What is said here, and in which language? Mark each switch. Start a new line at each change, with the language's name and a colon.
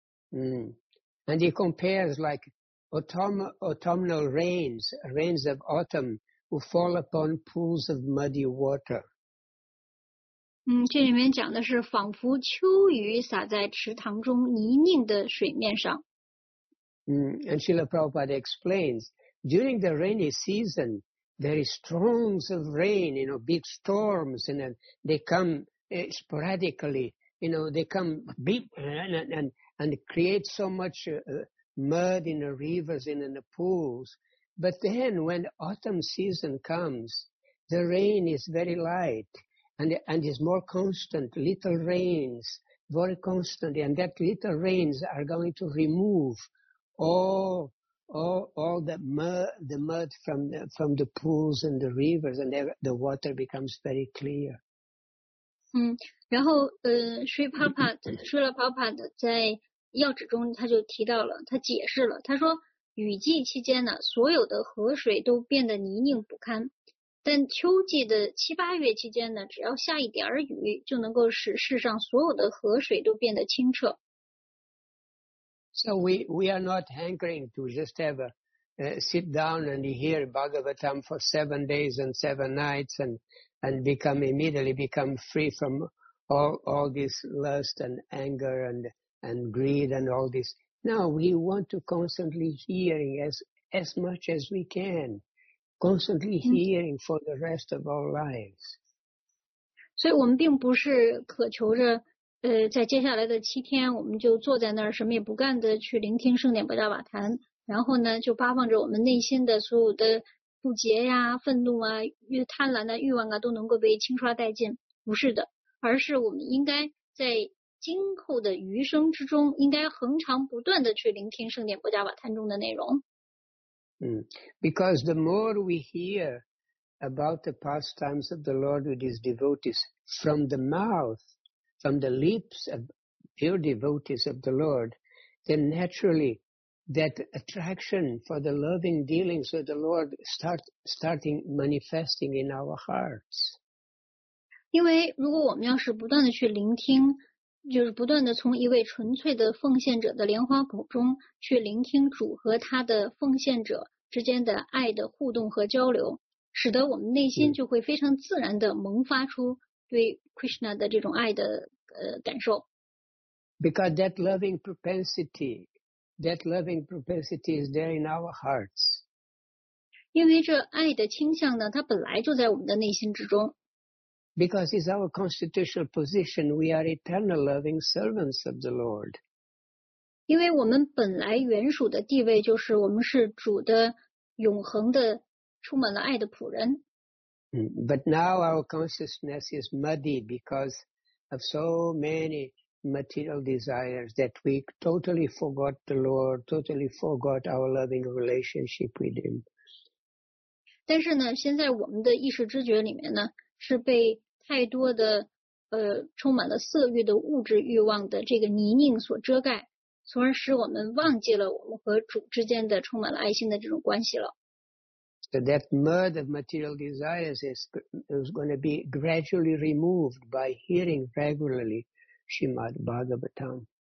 English: And he compares like autumnal rains of autumn, who fall upon pools of muddy water.
Chinese: 这里面讲的是仿佛秋雨洒在池塘中泥泞的水面上。
English: And Srila Prabhupada explains, during the rainy season, there is storms of rain, you know, big storms, and they come sporadically, you know, they come big and create so much mud in the rivers and in the pools. But then when autumn season comes, the rain is very light and is more constant, little rains, very constantly, and that little rains are going to remove all the mud from the pools and the rivers, and the water becomes very clear.
Chinese: 然后Srila Prabhupada 在要旨中他就提到了，他解释了，他说雨季期间呢，所有的河水都变得泥泞不堪，但秋季的七八月期间呢，只要下一点雨，就能够使世上所有的河水都变得清澈。
English: So we are not hankering to just have sit down and hear Bhagavatam for 7 days and seven nights and immediately become free from all this lust and anger and greed and all this. No, we want to constantly hearing as much as we can, constantly hearing for the rest of our lives.
Chinese: 所以我们并不是渴求着在接下来的七天我们就坐在那儿什么也不干的去聆听圣殿博加瓦坛，然后呢就发放着我们内心的所有的不洁呀、愤怒啊、贪婪的欲望啊都能够被清刷殆尽，不是的，而是我们应该在今后的余生之中应该恒常不断的去聆听圣殿博加瓦坛中的内容。
English: Because the more we hear about the pastimes of the Lord with his devotees from the mouth,from the lips of pure devotees of the Lord, then naturally that attraction for the loving dealings of the Lord starting manifesting in our hearts.
Chinese: 因为如果我们要是不断的去聆听，就是不断的从一位纯粹的奉献者的莲花口中去聆听主和他的奉献者之间的爱的互动和交流，使得我们内心就会非常自然的萌发出对 Krishna 的这种爱的感受。
English: Because that loving propensity is there in our hearts.
Chinese: 因为这爱的倾向呢，它本来就在我们的内心之中。
English: Because it's our constitutional position, we are eternal loving servants of the Lord.
Chinese: 因为我们本来原属的地位就是我们是主的永恒的充满了爱的仆人。
English: But now our consciousness is muddy because of so many material desires that we totally forgot the Lord, totally forgot our loving relationship with Him.
Chinese: 但是呢，现在我们的意识知觉里面呢，是被太多的充满了色欲的物质欲望的这个泥泞所遮盖，从而使我们忘记了我们和主之间的充满了爱心的这种关系了。
English: That mud of material desires is going to be gradually removed by hearing regularly Srimad Bhagavatam.